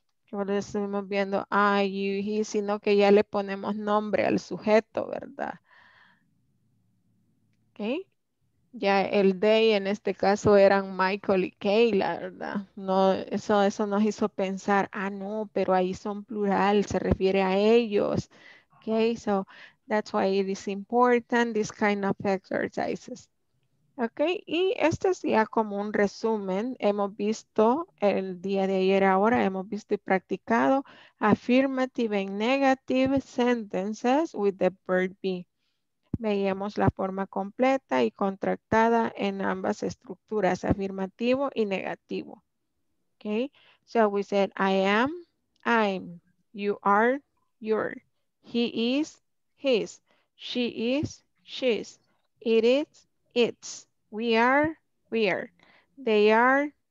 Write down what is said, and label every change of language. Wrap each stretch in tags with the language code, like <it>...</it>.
<es>Como lo estuvimos viendo, I, you, he, sino que ya le ponemos nombre al sujeto, ¿verdad? ¿Eh? Ya el day en este caso eran Michael y Kayla, ¿verdad? No, eso nos hizo pensar, ah, no, pero ahí son plural, se refiere a ellos.</es> <en>Okay, so that's why it is important, this kind of exercises.</en> <es>Okay, y este es ya como un resumen. Hemos visto el día de ayer, ahora hemos visto y practicado</es> <en>affirmative and negative sentences with the verb be.</en> <es>Veíamos la forma completa y contractada en ambas estructuras, afirmativo y negativo.</es> <en>Okay, so we said, I am, I'm, you are, you're, he is, his, she is, she's, it is, it's, we are, they are.</en>